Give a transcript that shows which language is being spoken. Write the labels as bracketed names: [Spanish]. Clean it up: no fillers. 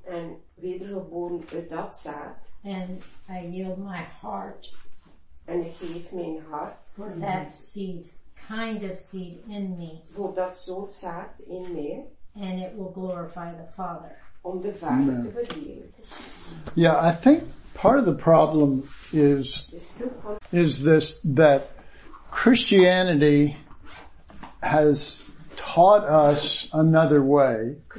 [Dutch] En wedergeboren uit dat zaad. [English] And I yield my heart. [Dutch] En ik geef mijn hart. [English] For that seed, kind of seed in me. [Dutch] Voor dat soort zaad in mij. [English] And it will glorify the Father. [Dutch] Om de Vader te verheerlijken. [English] Yeah, I think part of the problem is this, that Christianity has taught us another way.